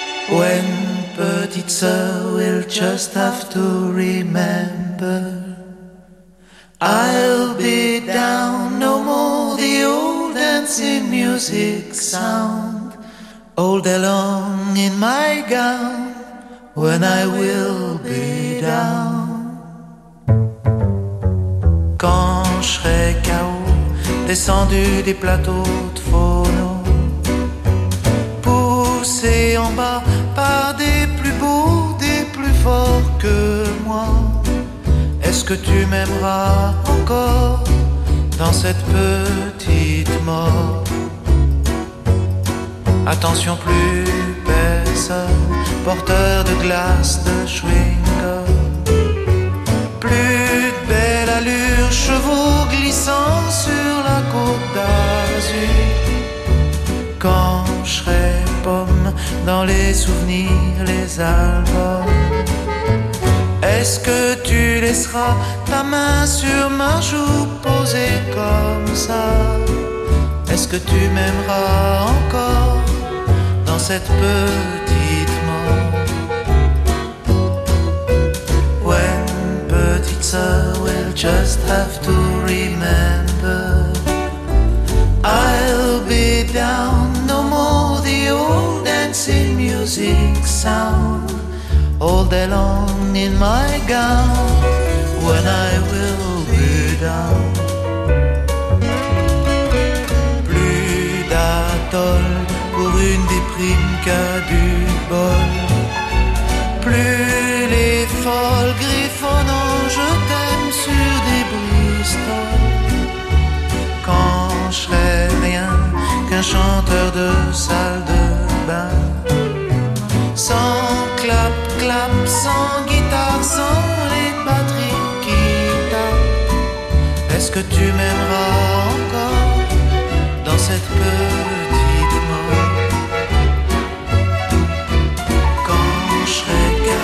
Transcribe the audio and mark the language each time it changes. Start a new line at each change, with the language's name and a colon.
English: When
French: petite sœur
English: will just have to remember, I'll be down no more, the old dancing music sound, all day long in my gown, when I will be down.
French: Quand je serai KO, descendu des plateaux de phono, poussé en bas par des plus beaux, des plus forts que moi. Est-ce que tu m'aimeras encore dans cette petite mort? Attention, plus personne, porteur de glace de chewing-gum. Plus de belle allure, chevaux glissant sur la côte d'Azur. Quand je serai pomme dans les souvenirs, les albums, est-ce que tu laisseras ta main sur ma joue posée comme ça? Est-ce que tu m'aimeras encore dans cette petite mort?
English: When
French: petite sœur
English: will just have to remember, I'll be down no more, the old dancing music sound, all day long in my gown, when I will be down.
French: Plus d'atoll pour une déprime qu'à du bol, plus les folles griffonnant je t'aime sur des bristoles. Quand je serai rien qu'un chanteur de salle de bain, sans clap clap, sans guitare, sans les batteries qui tapent, est-ce que tu m'aimeras encore dans cette petite mort? Quand je serai